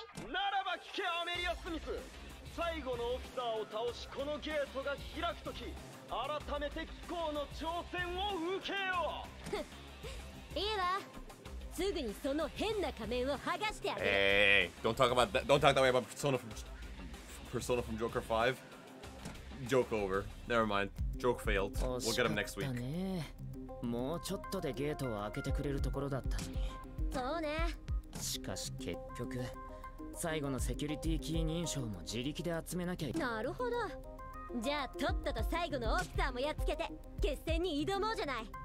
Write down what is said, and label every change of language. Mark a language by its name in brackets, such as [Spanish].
[Japanese] ならば聞け、アメリア・スミス。最後のオフィサーを倒し、このゲートが開くとき、改めて気候の挑戦を受けよう。いいわ、すぐにその変な仮面を剥がしてやる。 [English] Hey, don't talk about that. Don't talk that way about Persona from Persona from Joker 5. Joke over. Never mind. Joke failed. We'll get him next week. [Japanese] もうちょっとでゲートを開けてくれるところだったのに。そうね。しかし結局最後のセキュリティキー認証も自力で集めなきゃいけない。なるほど。じゃあとっとと最後のオフィサーもやっつけて決戦に挑もうじゃない。